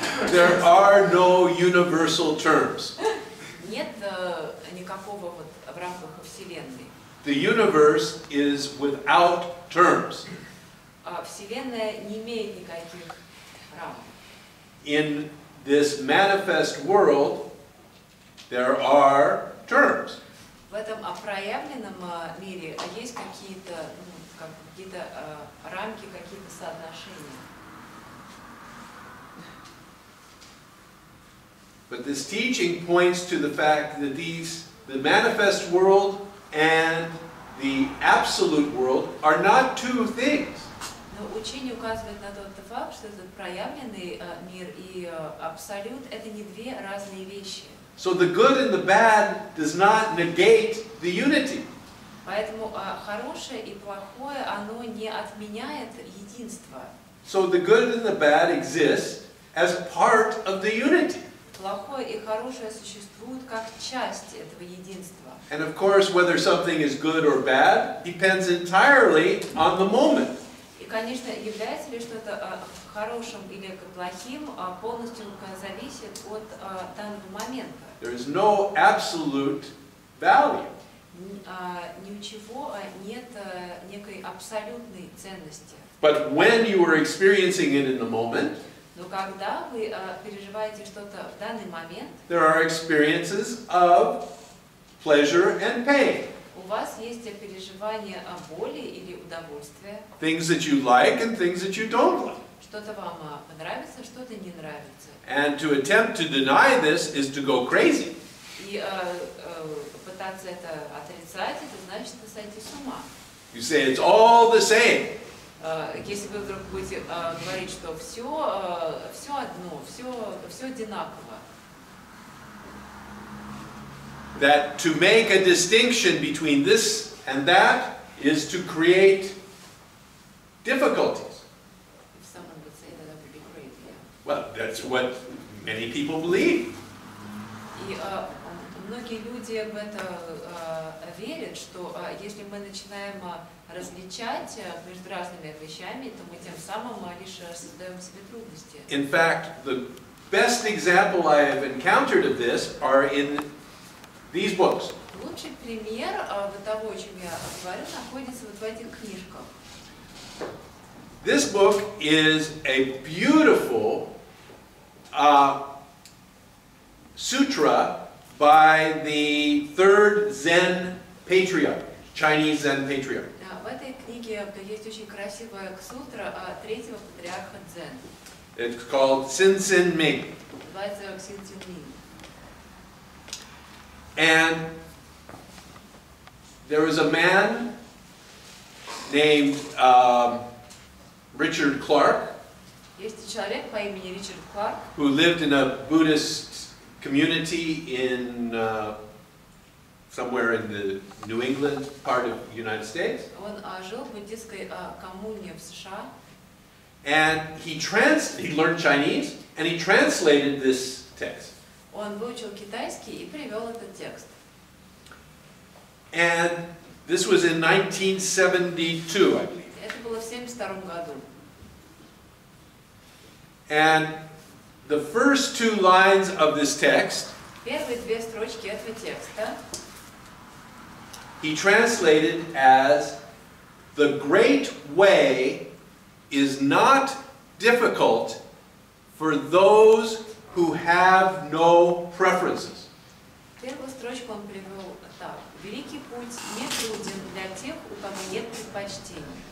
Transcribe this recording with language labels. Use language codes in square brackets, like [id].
[en] There are no universal terms. [ru] Нет никакого вот в рамках вселенной. [en] The universe is without terms. [ru] Вселенная не имеет никаких рамок. [en] In this manifest world, there are terms. [ru] В этом проявленном мире есть какие-то, ну, какие-то рамки, какие-то соотношения. [en] But this teaching points to the fact that these, the manifest world and the absolute world, are not two things. [ru] Но учение указывает на тот факт, что этот проявленный мир и абсолют — это не две разные вещи. [en] So the good and the bad does not negate the unity. [ru] Поэтому хорошее и плохое, оно не отменяет единство. [en] So the good and the bad exist as part of the unity. [ru] Плохое и хорошее существуют как часть этого единства. [en] And of course, whether something is good or bad depends entirely on the moment. [ru] И, конечно, является ли что-то хорошим или плохим, полностью зависит от данного момента. [en] There is no absolute value. [ru] Ничего нет некой абсолютной ценности. [en] But when you are experiencing it in the moment, [ru] но когда вы переживаете что-то в данный момент, [en] there are experiences of pleasure and pain. [ru] У вас есть переживания о боли или удовольствия. [en] Things that you like and things that you don't like. [ru] Что-то вам понравится, что-то не нравится. [en] And to attempt to deny this is to go crazy. [ru] И пытаться это отрицать, это значит сойти с ума. [en] You say it's all the same. [ru] Если вы вдруг будете говорить, что все, все одно, все, все одинаково. [en] That to make a distinction between this and that is to create difficulties. If someone would say that, that would be crazy. Yeah. Well, that's what many people believe. [ru] И многие люди в это верят, что если мы начинаем различать между разными вещами, то мы тем самым лишь создаем себе трудности. [en] In fact, the best example I have encountered of this are in these books. [ru] Лучший пример того, о чем я говорю, находится вот в этих книжках. [en] This book is a beautiful sutra by the third Zen patriarch, Chinese Zen patriarch. [ru] В этой этой книге есть очень красивая ксутра третьего патриарха Дзен. [en] It's called Цинцин Мин. [ru] Называется Цинцин Мин. [en] And there was a man named Richard Clark. [ru] Есть человек по имени Ричард Кларк. [en] Who lived in a Buddhist community in somewhere in the New England part of the United States. [ru] Он жил в буддийской коммуне в США. [en] And he learned Chinese, and he translated this text. [ru] Он выучил китайский и перевёл этот текст. [en] And this was in 1972, I believe. [ru] Это было в 72 году. [en] And the first two lines of this text, [ru] первые две строчки этого текста, [en] he translated as, "The great way is not difficult for those who have no preferences." [ru] Первую строчку он привел так: "Великий путь не труден для тех, у кого нет предпочтений."